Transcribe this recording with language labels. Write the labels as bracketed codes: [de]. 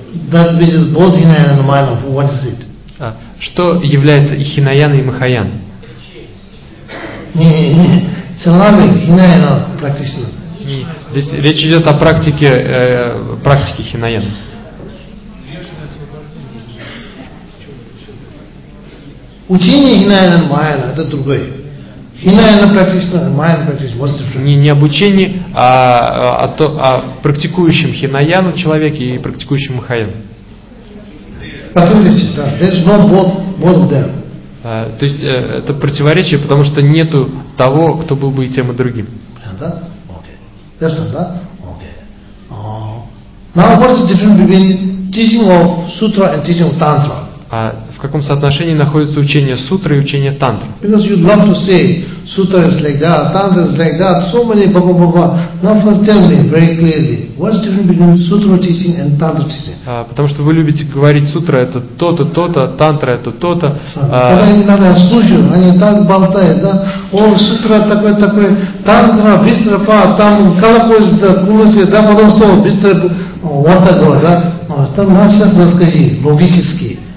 [en] That which is both Hinayana and Mayana, what is it? [ru] А, что является и Хинаяна, и Махаяна? Не-не-не. Саламик, Хинаяна, практически. Здесь речь идет о практике, практике Хинаяна. Учение Хинаяна и Махаяна, это другое. Хинаяна практически, Махаяна практически, [en] what's different? [ru] Не обучение, а практикующем Хинаяну человеке и практикующем Махаяну. [en] There's no both of them. [ru] То есть это противоречие, потому что нету того, кто был бы и тем и другим. [en] Now what is the difference between teaching of sutra and teaching of tantra? [ru] В каком соотношении находится учение сутры и учение тантры? [en] Because you love to say sutra is like that, tantra is like that, so many blah blah blah. Now first tell me very clearly. What's different between sutra teaching and tantra teaching? [ru] Потому что вы любите говорить сутра это то-то, то-то, тантра это то-то. Когда они надо слушают, они так болтают, да? О, сутра такой, такой, тантра, быстро, па, там колокольчик, да, кулаки, да, потом слово, быстро, вот такое, да? Там надо сейчас рассказать, логически.